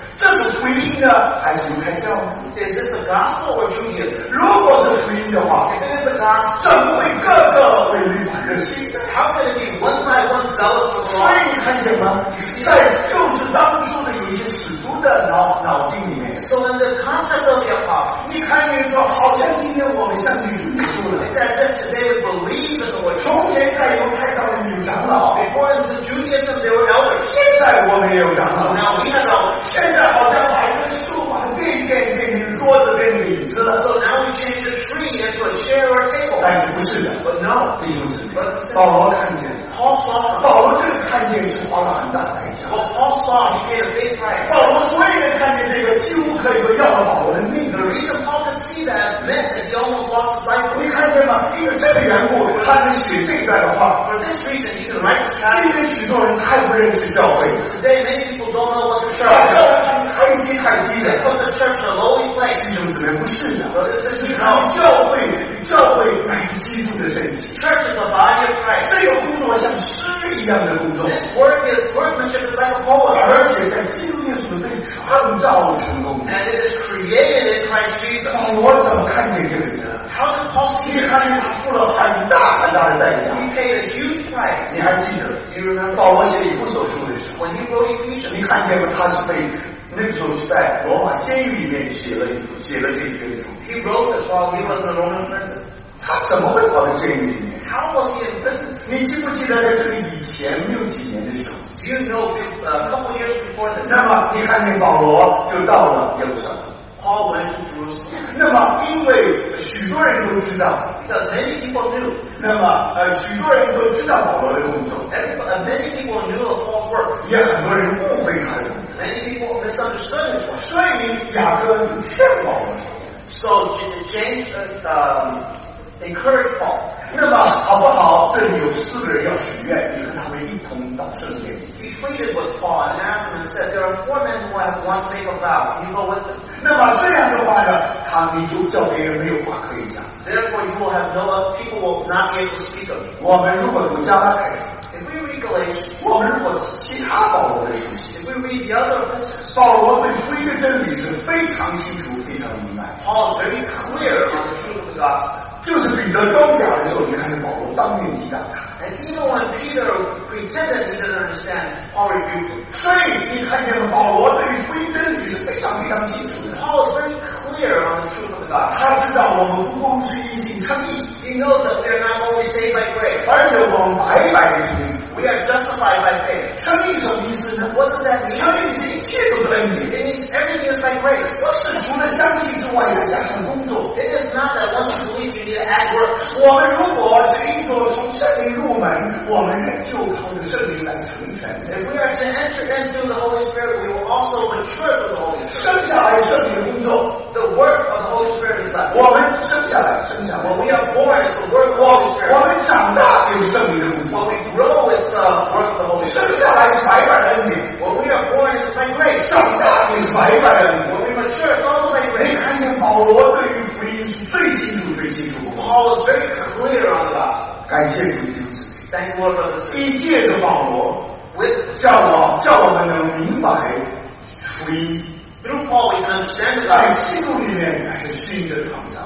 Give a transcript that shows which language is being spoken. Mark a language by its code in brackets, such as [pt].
[zh] 这是福音呢，还是犹太教呢 [en] ？Is this a gospel or Judaism? [zh] 如果是福音的话 [en] ，If it is a gospel, [zh] 怎么会个个为律法热心 [en] ？How can it be one by one zealous for the Lord? [zh] 所以你看见吗？在就是当初的有一些使徒的脑筋里面。 [en] So then the concept of the apostle. [zh] 你看见说，好像今天我们相信主耶稣了。 [en] It's as if today we believe in the Lord. [zh] 从前在犹太教里有长老 [en] ，Before in the Judaism there were elders. [zh] 现在我们也有长老 [en] ，Now we have elders. [zh] 现在好像把一个树把它变一变，变成桌子，变成椅子了。 [en] So now we change the tree into a chair or a table. [zh] 但是不是的 [en] ？But no， [zh] 弟兄姊妹，保罗看见了。 [en] Paul saw. [zh] 保罗这个看见是花了很大的代价。 [en] But Paul saw. He paid a big price. [zh] 保罗所有人看见这个，几乎可以说要了保罗的命。 [en] The reason Paul could see that meant that he almost lost his life. [zh] 你看见吗？因为这个缘故，他能写这一段的话。 [en] For this reason, he could write this. [zh] 今天许多人太不认识教会。 [en] Today, many people don't know what the church. [zh] 把教会看低太低了。 [en] Put the church a lowly place. [zh] 弟兄姊妹，不是的。 [en] But this is because [zh] 教会乃是基督的身体。 [en] Church is the body of Christ. [zh] 这个工作像。诗一样的工作 [en] ，This work is workmanship is like a poem， [zh] 而且在基督耶稣被创造成功 [en] ，And it is created in Christ Jesus。 [zh] 保罗怎么看见这个的 [en] ？How did Paul see？ [zh] 你看，他付了很大很大的代价 [en] ，He paid a huge price。 [zh] 你还记得 [en] ？You remember？ [zh] 保罗写以弗所书的时候 [en] ，When he wrote Ephesians， [zh] 你看见吗？他是被那个时候是在罗马监狱里面写了这卷书。 [en] He wrote this while he was in Roman prison。 [zh] 他怎么会跑到监狱里面 [en] ？How was he in prison？ [zh] 你记不记得在这里以前没有几年的时候 [en] ？Do you know a couple years before that？ [zh] 那么你看见保罗就到了耶路撒冷。 [en] Paul went to Jerusalem。 [zh] 那么因为许多人都知道 [en] ，Because many people knew。 [zh] 那么许多人都知道保罗的工作。 [en] Many people knew of Paul's work。 [zh] 也很多人误会他的工作。 [en] Many people misunderstood his work。 [zh] 所以雅各就劝保罗说 [en] ：“So James said。” Encourage Paul. [zh] 那么好不好？这里有四个人要许愿，你和他们一同到圣殿。 [en] He pleaded with Paul and asked him and said, there are four men who have one fatal vow. Can you go with them? [zh] 那么这样的话呢，他们就叫别人没有话可以讲。 [en] Therefore, you will have no other people will not be able to speak of you. [zh] 我们如果有加拉太书。 [en] If we read Galatians, [zh] 我们如果其他保罗的书信。 [en] If we read the other epistles, [zh] 保罗对福音的真理是非常清楚，非常明白。 [en] Paul is very clear on the truth of the gospel. [zh] 就是彼得装假的时候，你看见保罗当面抵挡他。 [en] And even when Peter pretended he didn't understand, Paul rebuked him. [zh] 所以你看见保罗对福音真理是非常非常清楚的。 [en] Paul is very clear on the truth of God. [zh] 他知道我们不光是因信称义。 [en] He knows that we are not only saved by grace. [zh] 而且我们白白的称义。 [en] We are justified by faith. [zh] 称义什么意思呢？ [en] What does that mean? [zh] 称义是一切都是恩典。 [en] It means everything is by grace. [zh] 不是除了相信之外再加上工作。 [en] It is not that once you believe you need to add work. [zh] 我们如果是因着从圣灵入门，我们就靠着圣灵来成全。 [en] If we are to enter in through the Holy Spirit, we will also mature through the Holy Spirit. [zh] 生下来圣灵工作。 [en] The work of the Holy Spirit is that. [zh] 我们生下来。 [en] When we are born, it's the work of the Holy Spirit. [zh] 我们长大也是圣灵的工作。 [en] When we grow, it's the work of the Holy Spirit. [zh] 生下来是白白的恩典。 [en] When we are born, it's by grace. [zh] 长大也是白白的恩典。 [en] When we mature, it's also by grace. [zh] 你看见保罗对于福音是最清楚、最清楚。 [en] Paul is very clear on the gospel. [zh] 感谢主的恩赐。 [en] Thank you, Lord, for the Spirit. [zh] 一借着保罗 [en] ，with [zh] 叫我们能明白福音。 [en] Through Paul, we can understand that. [zh] 在基督里面乃是新的创造。